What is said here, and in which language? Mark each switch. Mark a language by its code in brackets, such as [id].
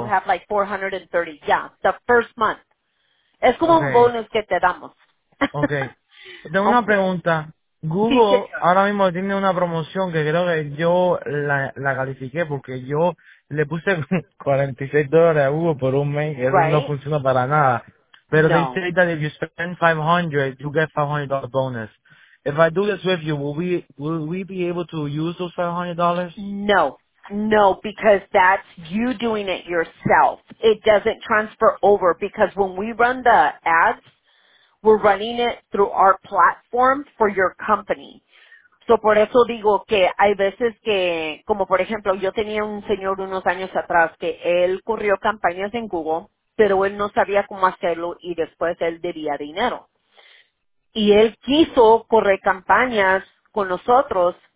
[en] So you have like $430. Yeah, the first month. [es] Es como un bonus que te damos. [en] Okay. [es] Tengo una pregunta. Google ahora mismo tiene una promoción que creo que yo la califiqué porque yo le puse $46 a Google por un mes y eso no funciona para nada. [en] Pero they say that if you spend $500, you get $500 bonus. If I do this with you, will we be able to use those $500? No, because that's you doing it yourself. It doesn't transfer over because when we run the ads, we're running it through our platform for your company. [es] So, por eso digo que hay veces que, como por ejemplo, yo tenía un señor unos años atrás que él corrió campañas en Google, pero él no sabía cómo hacerlo y después él debía dinero. Y él quiso correr campañas con nosotros,